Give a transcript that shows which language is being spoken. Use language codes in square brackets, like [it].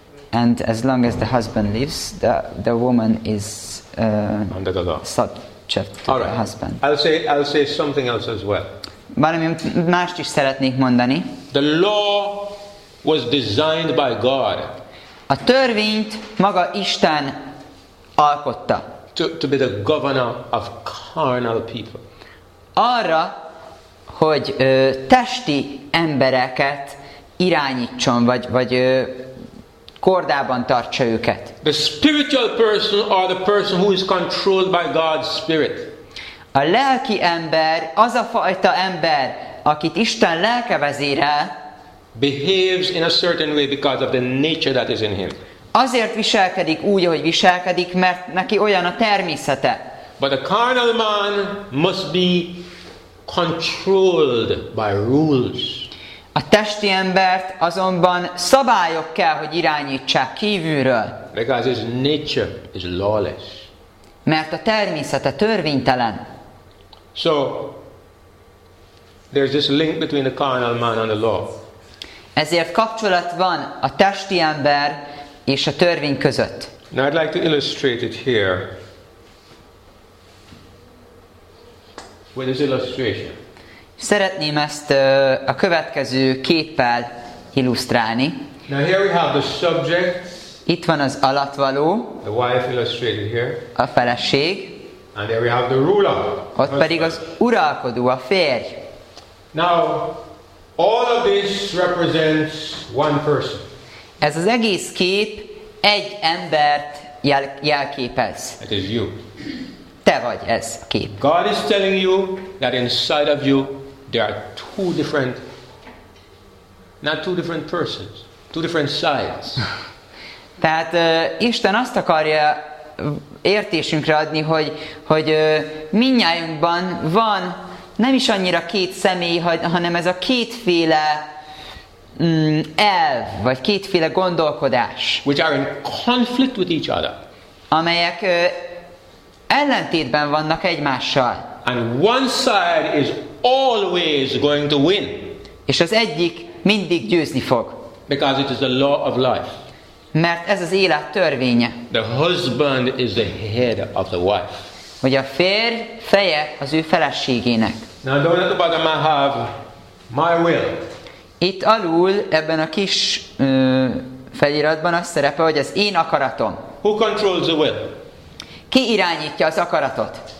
[en] And as long as the husband lives, the woman is under the law. Subject to all right. The husband. I'll say something else as well. [hu] Valami mást is szeretnék mondani. [en] The law was designed by God. [hu] A törvényt maga Isten alkotta. [en] To be the governor of carnal people. [hu] Arra, hogy testi embereket irányítson, vagy kordában tartsa őket. [en] The spiritual person or the person who is controlled by God's spirit. [hu] A lelki ember, az a fajta ember, akit Isten lelke vezérel, [en] behaves in a certain way because of the nature that is in him. [hu] Azért viselkedik úgy, ahogy viselkedik, mert neki olyan a természete. [en] But a carnal man must be controlled by rules. [hu] A testi embert azonban szabályok kell, hogy irányítsák kívülről. [en] Because his nature is lawless. [hu] Mert a természete törvénytelen. [en] So there's this link between the carnal man and the law. [hu] Ezért kapcsolat van a testi ember és a törvény között. [en] Now I'd like to illustrate it here. With this illustration. [hu] Szeretném ezt a következő képpel illusztrálni. [en] Now here we have the subject. [hu] Itt van az alattvaló. [en] The wife illustrated here. [hu] A feleség. [en] And there we have the ruler. [hu] Ott pedig az uralkodó, a férj. [en] Now, all of this represents one person. [hu] Ez az egész kép egy embert jelképez. [en] It is you. [hu] Te vagy ez a kép. [en] God is telling you that inside of you there are two different, not two different persons, two different sides. [hu] Tehát Isten azt akarja értésünkre adni, hogy mindnyájunkban van nem is annyira két személy, hanem ez a kétféle elv, vagy kétféle gondolkodás. [en] Which are in conflict with each other. [hu] Amelyek ellentétben vannak egymással. [en] And one side is always going to win. [hu] És az egyik mindig győzni fog. [en] Because it is the law of life. [hu] Mert ez az élet törvénye. [en] The husband is the head of the wife. [hu] Hogy a férj feje az ő feleségének. [en] Now down at the bottom I have my will. [hu] Itt alul ebben a kis feliratban az szerepe, hogy az én akaratom. [en] Who controls the will? [hu] Ki irányítja az akaratot?